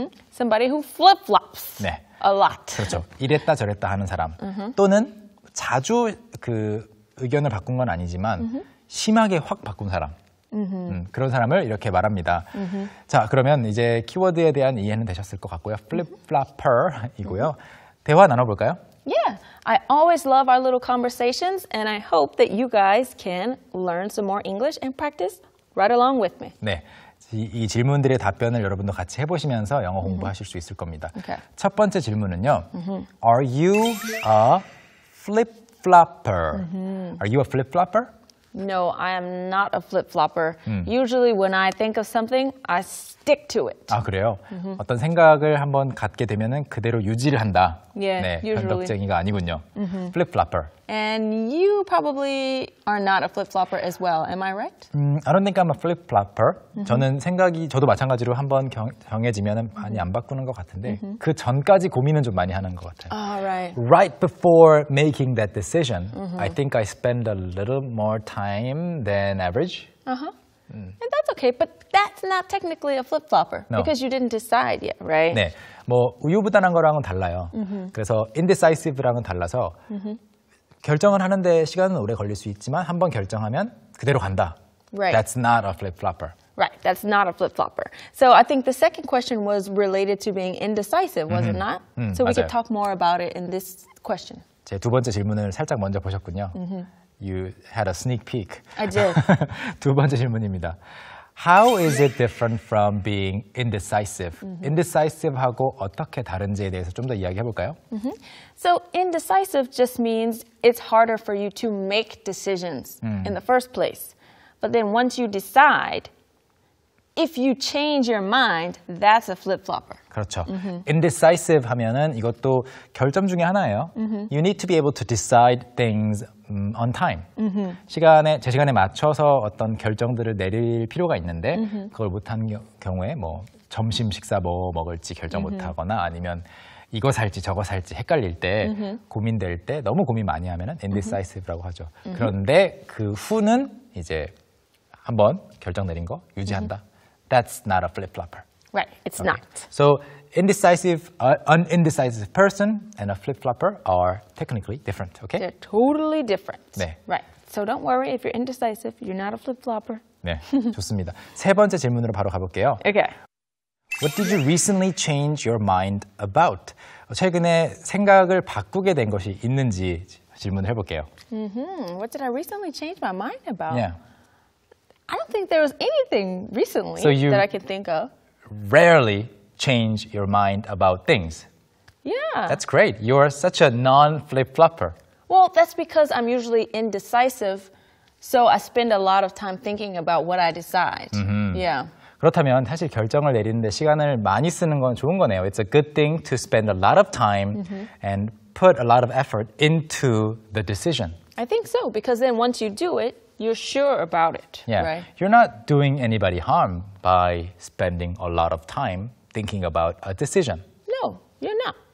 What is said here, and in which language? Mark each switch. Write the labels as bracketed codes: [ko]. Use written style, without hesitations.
[en] Somebody who flip-flops. 네. A lot. [ko] 그렇죠. 이랬다 저랬다 하는 사람. 또는 자주 그 의견을 바꾼 건 아니지만 심하게 확 바꾼 사람. 그런 사람을 이렇게 말합니다. 자, 그러면 이제 키워드에 대한 이해는 되셨을 것 같고요. flip-flopper이고요. 대화 나눠볼까요? [en] Yeah, I always love our little conversations and I hope that you guys can learn some more English and practice right along with me. [ko] 네, 이 질문들의 답변을 여러분도 같이 해보시면서 영어 공부하실 수 있을 겁니다. [en] Okay. [ko] 첫 번째 질문은요. [en] Are you a flip-flopper? Are you a flip-flopper? No, I am not a flip-flopper. Usually when I think of something, I stick to it. [ko] 아, 그래요? 어떤 생각을 한번 갖게 되면은 그대로 유지를 한다. [en] Yeah, [ko] 네, [en] usually. [ko] 변덕쟁이가 아니군요. Flip-flopper. [en] And you probably are not a flip-flopper as well. Am I right? I don't think I'm a flip-flopper. [ko] 저는 생각이, 저도 마찬가지로 한번 경해지면은 많이 안 바꾸는 것 같은데 그 전까지 고민은 좀 많이 하는 것 같아요. [en] Right before making that decision, I think I spend a little more time than average. And that's okay, but that's not technically a flip-flopper because you didn't decide yet, right? [ko] 네, 뭐 우유부단한 거랑은 달라요. 그래서 indecisive랑은 달라서 결정을 하는데 시간은 오래 걸릴 수 있지만 한번 결정하면 그대로 간다. [en] Right. That's not a flip-flopper. Right, that's not a flip-flopper. So I think the second question was related to being indecisive, was it not? So [ko] 맞아요. [en] We could talk more about it in this question. [ko] 제 두 번째 질문을 살짝 먼저 보셨군요. [en] You had a sneak peek. I did. [ko] 두 번째 질문입니다. [en] How is it different from being indecisive? [ko] Indecisive하고 어떻게 다른지에 대해서 좀 더 이야기해볼까요? [en] So indecisive just means it's harder for you to make decisions in the first place. But then once you decide, If you change your mind, that's a flip-flopper. [ko] 그렇죠. Mm-hmm. Indecisive 하면은 이것도 결점 중에 하나예요. Mm-hmm. [en] You need to be able to decide things on time. Mm-hmm. [ko] 시간에 제 시간에 맞춰서 어떤 결정들을 내릴 필요가 있는데 mm-hmm. 그걸 못한 경우에 뭐 점심 식사 뭐 먹을지 결정 mm-hmm. 못하거나 아니면 이거 살지 저거 살지 헷갈릴 때 mm-hmm. 고민될 때 너무 고민 많이 하면은 indecisive라고 하죠. Mm-hmm. 그런데 그 후는 이제 한번 결정 내린 거 유지한다. [en] Mm-hmm. That's not a flip-flopper. Right, it's okay. not. So, indecisive, an indecisive person and a flip-flopper are technically different, okay? They're totally different. [ko] 네. [en] Right. So don't worry if you're indecisive, you're not a flip-flopper. [ko] 네, 좋습니다. 세 번째 질문으로 바로 가볼게요. [en] Okay. What did you recently change your mind about? [ko] 최근에 생각을 바꾸게 된 것이 있는지 질문을 해볼게요. Mm-hmm. [en] What did I recently change my mind about? Yeah. I don't think there was anything recently so you that I can think of. Rarely change your mind about things. Yeah. That's great. You're such a non-flip-flopper. Well, that's because I'm usually indecisive, so I spend a lot of time thinking about what I decide. Mm-hmm. Yeah. [ko] 그렇다면 사실 결정을 내리는데 시간을 많이 쓰는 건 좋은 거네요. [en] It's a good thing to spend a lot of time mm-hmm. and put a lot of effort into the decision. I think so, because then once you do it, you're sure about it, yeah. right? You're not doing anybody harm by spending a lot of time thinking about a decision. No, you're not.